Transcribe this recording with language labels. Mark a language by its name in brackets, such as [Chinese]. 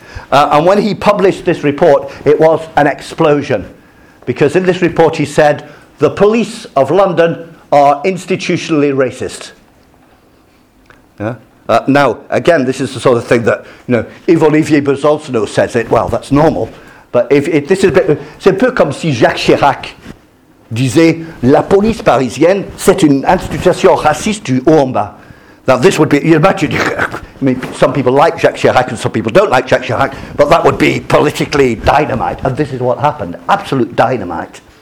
[English] And when he published this report, it was an explosion. Because in this report he said, the police of London are institutionally racist. Yeah? Now, again, this is the sort of thing that, you know, Yves Olivier Besancenot says it. Well, that's normal. But if this is a bit, [French] c'est un peu comme si Jacques Chirac disait, la police parisienne, c'est une institution raciste du haut en bas. [English] Now, this would be, you imagine, I mean, some people like Jacques Chirac and some people don't like Jacques Chirac, but that would be politically dynamite. And this is what happened, absolute dynamite.